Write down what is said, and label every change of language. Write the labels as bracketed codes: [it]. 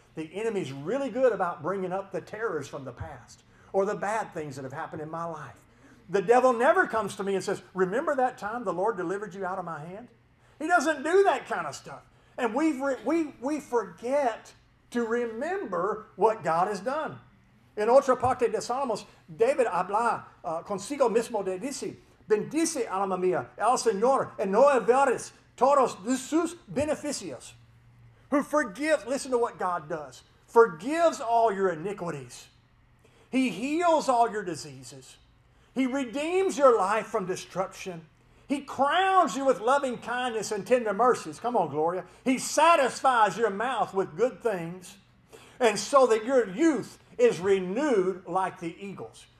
[en] The enemy's really good about bringing up the terrors from the past or the bad things that have happened in my life. The devil never comes to me and says, remember that time the Lord delivered you out of my hand? He doesn't do that kind of stuff. And we forget to remember what God has done. [es] En otra parte de Salmos, David habla consigo mismo de dice, bendice alma mía, al Señor, en no olvides todos sus beneficios. [en] Who forgives, listen to what God does, forgives all your iniquities. He heals all your diseases. He redeems your life from destruction. He crowns you with loving kindness and tender mercies. Come on, Gloria. He satisfies your mouth with good things, and so that your youth is renewed like the eagles.